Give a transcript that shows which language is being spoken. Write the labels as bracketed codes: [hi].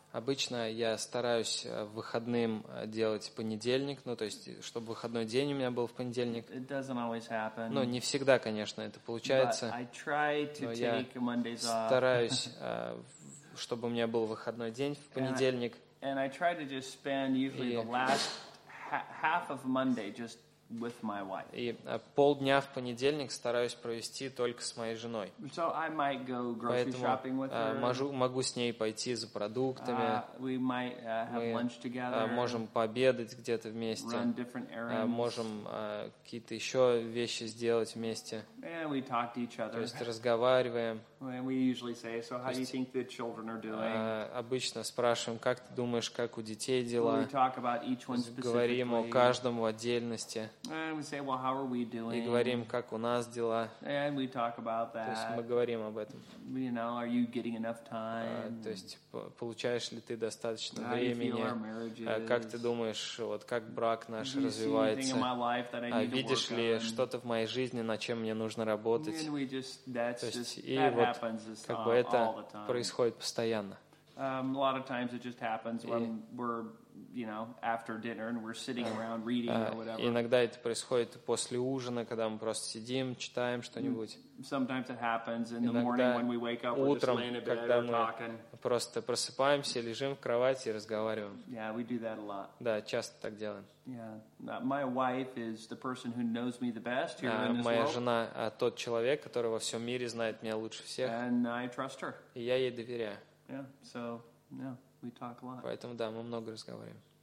[ru] Обычно я стараюсь выходным делать понедельник, ну то есть чтобы выходной день у меня был в понедельник. [en] It doesn't always happen. [ru] Ну не всегда, конечно, это получается. [en] But I try to take Mondays off. [ru] Стараюсь, чтобы у меня был выходной день в понедельник. [en] And I try to just spend usually the last half of Monday just with my wife. [ru] И полдня в понедельник стараюсь провести только с моей женой. [en] So I might go grocery [ru] Поэтому, [en] shopping with her. [ru] Могу с ней пойти за продуктами. [en] We might have lunch together. [ru] Можем пообедать где-то вместе. [en] Run different errands. [ru] Можем какие-то еще вещи сделать вместе. [en] And we talk to each other. [ru] То есть разговариваем. [en] And we usually say, so how do you think the children are doing? [ru] Обычно спрашиваем, как ты думаешь, как у детей дела? [en] We talk about each one specifically. [ru] Говорим о каждом в отдельности. [en] And we say, well, how are we doing? [ru] И говорим, как у нас дела. [en] And we talk about that. [ru] То есть мы говорим об этом. [en] You know, are you getting enough time? [ru] То есть получаешь ли ты достаточно времени? [en] How do you feel our marriages? [ru] Как ты думаешь, вот как брак наш развивается? [en] Do you see anything in my life that I need to work on? [ru] Видишь ли что-то в моей жизни, на чем мне нужно работать? [en] And we just, that's just, [ru] и вот как бы это происходит постоянно. [en] A lot of times it just happens when we're, you know, after dinner and we're sitting around reading or whatever. [ru] Иногда это происходит после ужина, когда мы просто сидим, читаем что-нибудь. [en] Sometimes it happens in the morning when we wake up, [ru] утром, [en] we're just laying in bed, talking. [ru] Просто просыпаемся, лежим в кровати и разговариваем. [en] Yeah, we do that a lot. [ru] Да, часто так делаем. [en] Yeah. My wife is the person who knows me the best here in this world. [ru] Моя жена тот человек, который во всем мире знает меня лучше всех. [en] And I trust her. [ru] И я ей доверяю. [en] Yeah, so, yeah, we talk a lot. [ru] Поэтому, да, мы много разговариваем.